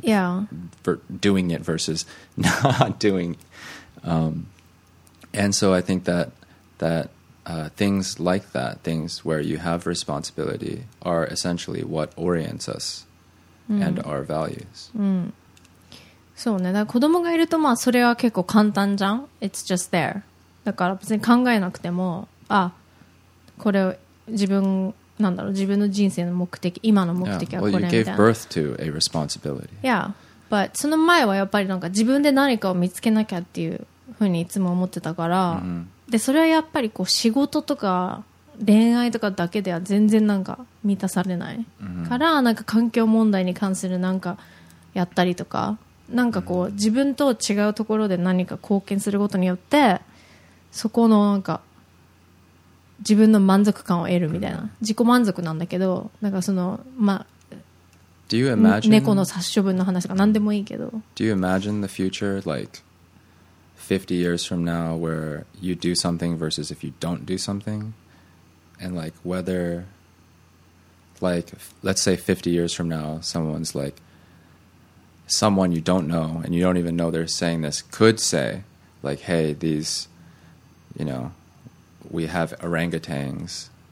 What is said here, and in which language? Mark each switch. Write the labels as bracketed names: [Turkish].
[English] Yeah. For doing it versus not doing, and so I think that. Things like that, things where you have responsibility, are essentially what orients us、mm. and our values.、 [Japanese] Mm. そうね。だから子供がいるとまあそれは結構簡単じゃん。 [English] It's just there. [Japanese] だから別に考えなくても、あ、これを自分なんだろう自分の人生の目的、今の目的はこれみたいな。 [English] Well, you gave birth to a responsibility. Yeah, but [Japanese] その前はやっぱりなんか自分で何かを見つけなきゃっていうふうにいつも思ってたから。 Mm-hmm. でそれはやっぱりこう仕事とか恋愛とかだけでは全然なんか満たされないからなんか環境問題に関するなんかやったりとかなんかこう自分と違うところで何か貢献することによってそこのなんか自分の満足感を得るみたいな自己満足なんだけどなんかそのまあ [English] Do you imagine [Japanese] 猫の殺処分の話とか何でもいいけど [English] Do you imagine the future like 50 years from now where you do something versus if you don't do something and like whether like let's say 50 years from now someone's like someone you don't know and you don't even know they're saying this could say like hey these you know we have orangutans